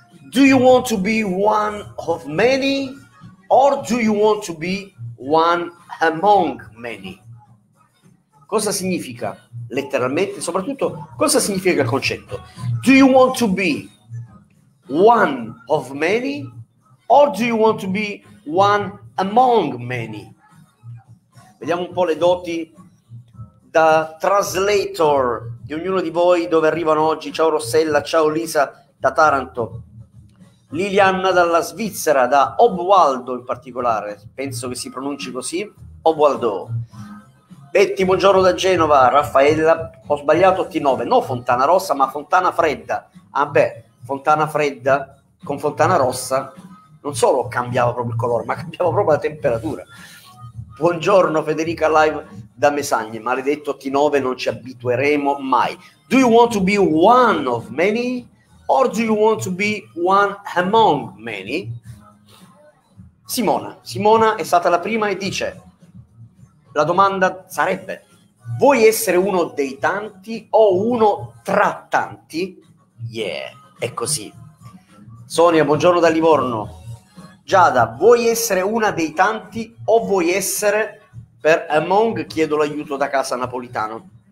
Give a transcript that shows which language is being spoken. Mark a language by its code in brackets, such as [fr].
[en] Do you want to be one of many or do you want to be one among many? [it] Cosa significa letteralmente? Soprattutto, cosa significa il concetto? [en] Do you want to be one of many or do you want to be one among many? [it] Vediamo un po' le doti da translator di ognuno di voi, dove arrivano oggi. Ciao Rossella, ciao Lisa da Taranto, Liliana dalla Svizzera, da Obwaldo in particolare, penso che si pronunci così, Obwaldo. Betty, buongiorno da Genova. Raffaella, ho sbagliato T9, no Fontana Rossa ma Fontana Fredda. Ah beh, Fontana Fredda con Fontana Rossa non solo cambiava proprio il colore, ma cambiava proprio la temperatura. Buongiorno Federica, live da Mesagne. Maledetto T9, non ci abitueremo mai. [en] Do you want to be one of many or do you want to be one among many? [it] Simona è stata la prima e dice, la domanda sarebbe: vuoi essere uno dei tanti o uno tra tanti? Yeah, è così. Sonia, buongiorno da Livorno. Giada, vuoi essere una dei tanti o vuoi essere, per among, chiedo l'aiuto da casa napolitano.